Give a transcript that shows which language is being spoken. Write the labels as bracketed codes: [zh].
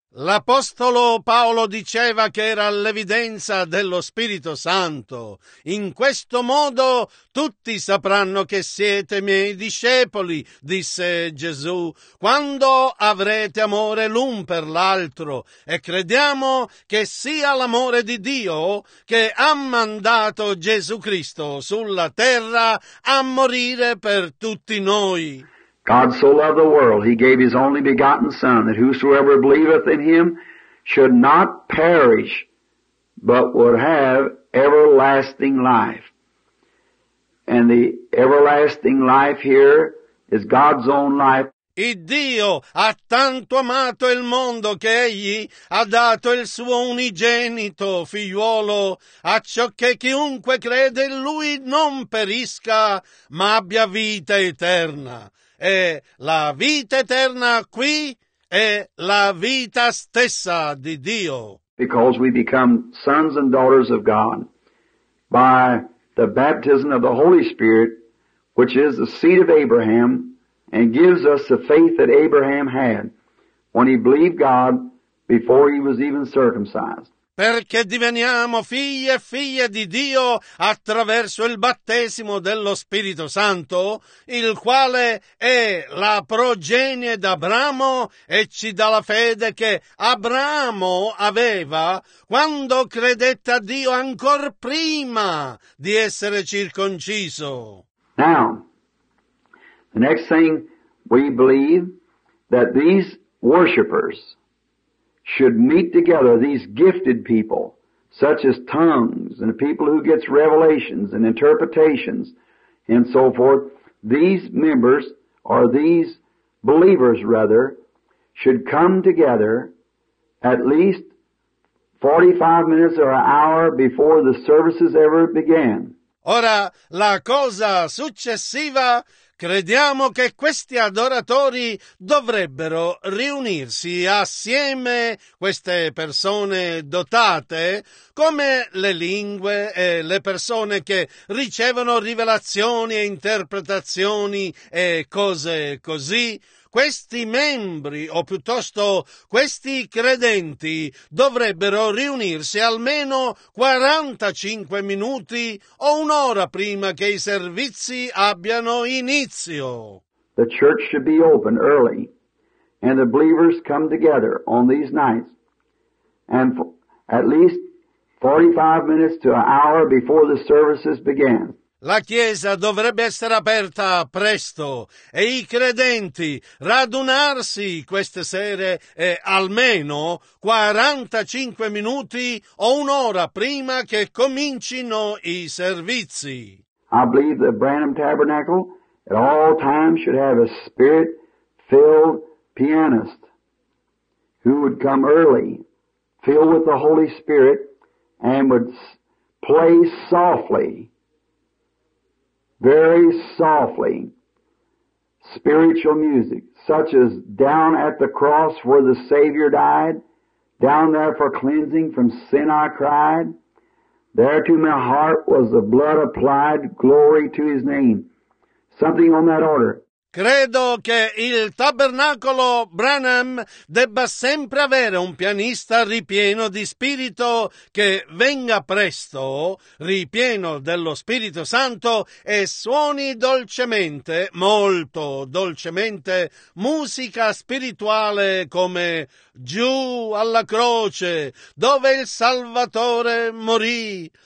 [it] L'Apostolo Paolo diceva che era l'evidenza dello Spirito Santo. In questo modo tutti sapranno che siete miei discepoli, disse Gesù, quando avrete amore l'un per l'altro. E crediamo che sia l'amore di Dio che ha mandato Gesù Cristo sulla terra a morire per tutti noi. [en] God so loved the world, he gave his only begotten Son, that whosoever believeth in him should not perish, but would have everlasting life. And the everlasting life here is God's own life. [it] E Dio ha tanto amato il mondo che egli ha dato il suo unigenito figliuolo, a ciò che chiunque crede in lui non perisca, ma abbia vita eterna. E la vita eterna qui è la vita stessa di Dio. [en] Because we become sons and daughters of God by the baptism of the Holy Spirit, which is the seed of Abraham, and gives us the faith that Abraham had when he believed God before he was even circumcised. [it] Perché diveniamo figli e figlie di Dio attraverso il battesimo dello Spirito Santo, il quale è la progenie d'Abramo e ci dà la fede che Abramo aveva quando credette a Dio ancor prima di essere circonciso. [en] Now, the next thing we believe that these worshipers should meet together, these gifted people, such as tongues and people who get revelations and interpretations and so forth, these members, or these believers rather, should come together at least 45 minutes or an hour before the services ever began. [it] Ora, la cosa successiva, crediamo che questi adoratori dovrebbero riunirsi assieme, queste persone dotate, come le lingue e le persone che ricevono rivelazioni e interpretazioni e cose così. Questi membri, o piuttosto questi credenti, dovrebbero riunirsi almeno 45 minuti o un'ora prima che i servizi abbiano inizio. [en] The church should be open early, and the believers come together on these nights, and at least 45 minutes to an hour before the services begin. [it] La Chiesa dovrebbe essere aperta presto e i credenti radunarsi queste sere e almeno 45 minuti o un'ora prima che comincino i servizi. [en] I believe the Branham Tabernacle at all times should have a spirit-filled pianist who would come early, filled with the Holy Spirit, and would play softly. Very softly, spiritual music, such as down at the cross where the Savior died, down there for cleansing from sin I cried, there to my heart was the blood applied, glory to His name. Something on that order. [it] Credo che il tabernacolo Branham debba sempre avere un pianista ripieno di spirito che venga presto, ripieno dello Spirito Santo, e suoni dolcemente, molto dolcemente, musica spirituale come giù alla croce, dove il Salvatore morì,